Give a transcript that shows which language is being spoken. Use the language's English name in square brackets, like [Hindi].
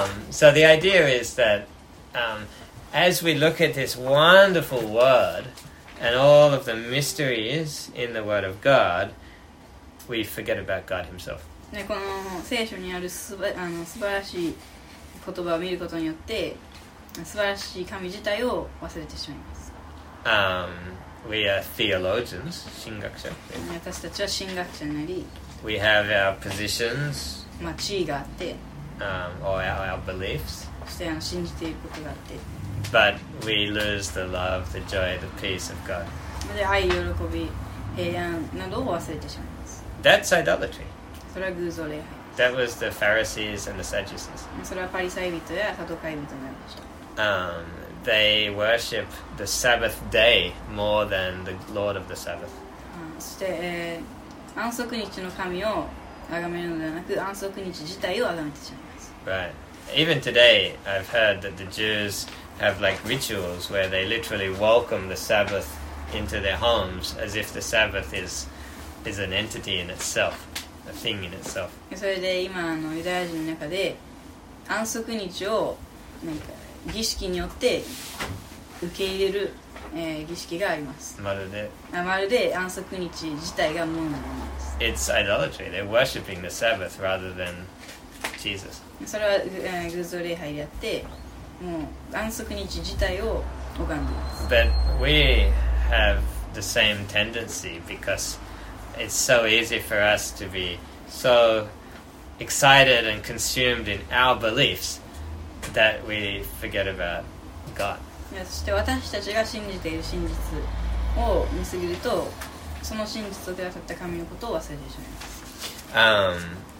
[English] So the idea is that, As we look at this wonderful word and all of the mysteries in the word of God, we forget about God himself. [Japanese] ね、この聖書にある素晴らしい言葉を見ることによって、素晴らしい神自体を忘れてしまいます。 [English] We are theologians, [Japanese] 神学者。私たちは神学者になり、 [English] We have our positions, [Japanese] まあ地位があって、 [English] or our beliefs, [Japanese] そして信じていることがあって、 [English] But we lose the love, the joy, the peace of God. [Japanese] で、愛、喜び、平安などを忘れてしまいます。 [English] That's idolatry. [Japanese] それは偶像礼拝。 [English] That was the Pharisees and the Sadducees. [Japanese] それはパリサイ人やサドカイ人でした。 [English] They worship the Sabbath day more than the Lord of the Sabbath. [Japanese] そして、安息日の神を崇めるのではなく、安息日自体を崇めてしまいます。 [English] Right. Even today, I've heard that the Jews... have like rituals where they literally welcome the Sabbath into their homes as if the Sabbath is an entity in itself, a thing in itself. [Japanese] それで今のユダヤ人の中で安息日をなんか儀式によって受け入れる、儀式があります。まるで安息日自体がものなのです。 [English] It's idolatry. They're worshipping the Sabbath rather than Jesus. [Japanese] それは、偶像礼拝であって。もう安息日自体を拝んでいます。 [English] But we have the same tendency because it's so easy for us to be so excited and consumed in our beliefs that we forget about God. [Japanese] そして私たちが信じている真実を見すぎると、その真実と出会った神のことを忘れてしまいます。